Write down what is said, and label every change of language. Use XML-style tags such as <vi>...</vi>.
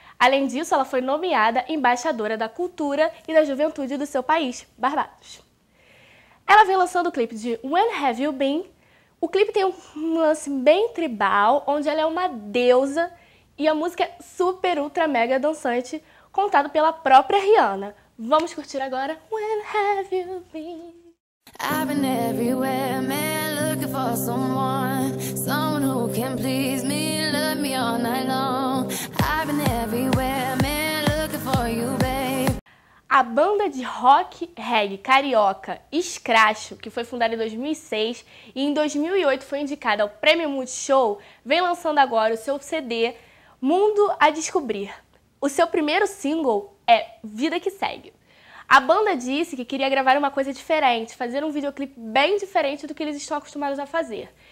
<pt>Além disso, ela foi nomeada embaixadora da cultura e da juventude do seu país, Barbados. Ela vem lançando o clipe de When Have You Been. O clipe tem um lance bem tribal, onde ela é uma deusa e a música é super, ultra, mega dançante, contado pela própria Rihanna. Vamos curtir agora When Have You Been.</pt> <en>I've been everywhere, man, looking for someone who can please me, love me all night long. I've been everywhere, man, looking for you, babe.</en> <pt>A banda de rock, reggae, carioca, Escracho, que foi fundada em 2006 e em 2008 foi indicada ao Prêmio Multishow, vem lançando agora o seu CD Mundo a Descobrir. O seu primeiro single é Vida que Segue. A banda disse que queria gravar uma coisa diferente, fazer um videoclipe bem diferente do que eles estão acostumados a fazer.</pt>